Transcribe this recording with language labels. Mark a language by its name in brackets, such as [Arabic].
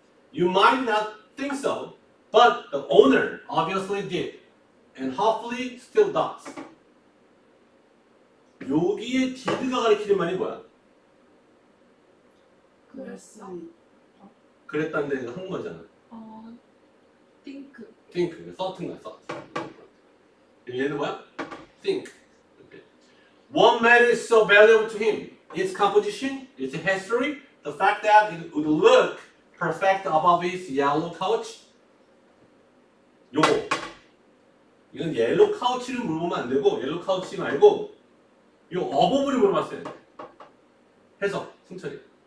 [English] You might not think so, but the owner obviously did, and hopefully still does. [Korean] 여기에 did가 가리키는 말이 뭐야? 그랬어. 그랬다는 데는 한 거잖아. 어, [English] think. Think. Thought인 거야. Thought. [Korean] 얘는 뭐야? [English] Think. Okay. One man is so valuable to him. His composition, his history, the fact that it would look perfect above his yellow couch. [Korean] 요거. 이건 옐로 카우치를 물어보면 안 되고 옐로 카우치 말고 요 어버브를 물어봤어요. 해석. 승철이.